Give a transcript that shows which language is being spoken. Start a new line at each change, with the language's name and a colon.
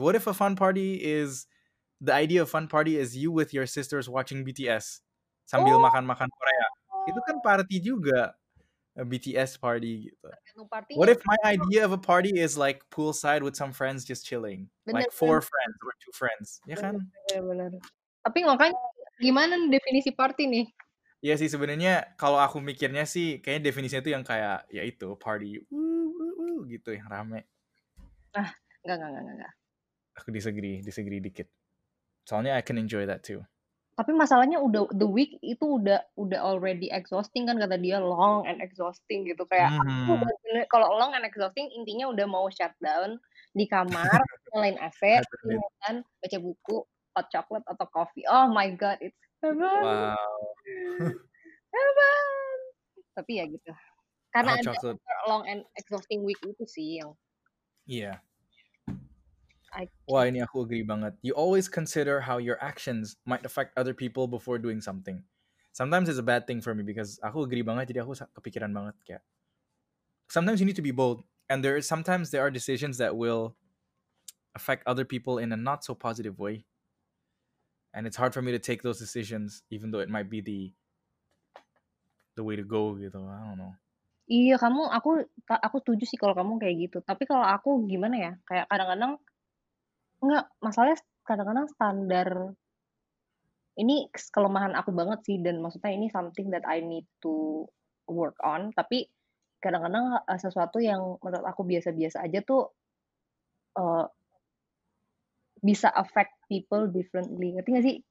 English: What if a fun party is, the idea of fun party is you with your sisters watching BTS
Indonesian: sambil makan-makan Korea. Itu kan party juga.
English: A BTS party
Indonesian: gitu.
English: What if my idea of a party is like poolside with some friends just chilling?
Indonesian: Bener,
English: like four friends or two friends.
Indonesian: Ya kan? Bener. Tapi makanya gimana definisi party nih? Ya sih sebenarnya kalau aku mikirnya sih kayaknya definisinya tuh yang kayak ya itu party gitu yang rame. Nah, enggak. Aku disagree dikit. Soalnya
English: I can enjoy that too.
Indonesian: Tapi masalahnya udah the week itu udah
English: already exhausting
Indonesian: kan kata dia
English: long and exhausting
Indonesian: gitu kayak kalau long and exhausting intinya udah mau shutdown di kamar nyalain AC kan baca buku hot chocolate atau coffee.
English: Oh my god, it's heaven. Wow.
Indonesian: Heaven. Tapi ya gitu. Karena
English: hot chocolate.
Indonesian: Ada
English: long and exhausting week
Indonesian: itu sih yang iya. Wah, ini aku agree banget.
English: You always consider how your actions might affect other people before doing something. Sometimes it's a bad thing for me because
Indonesian: aku agree banget, jadi aku kepikiran banget kayak.
English: Sometimes you need to be bold and there are decisions that will affect other people in a not so positive way. And it's hard for me to take those decisions even though it might be the way to go gitu. I don't know.
Indonesian: Iya, kamu aku setuju sih kalau kamu kayak gitu. Tapi kalau aku gimana ya? Kayak kadang-kadang enggak, masalahnya kadang-kadang standar ini kelemahan aku banget sih, dan maksudnya ini
English: something that I need to work on,
Indonesian: tapi kadang-kadang sesuatu yang menurut aku biasa-biasa aja tuh bisa
English: affect people differently,
Indonesian: ngerti gak sih?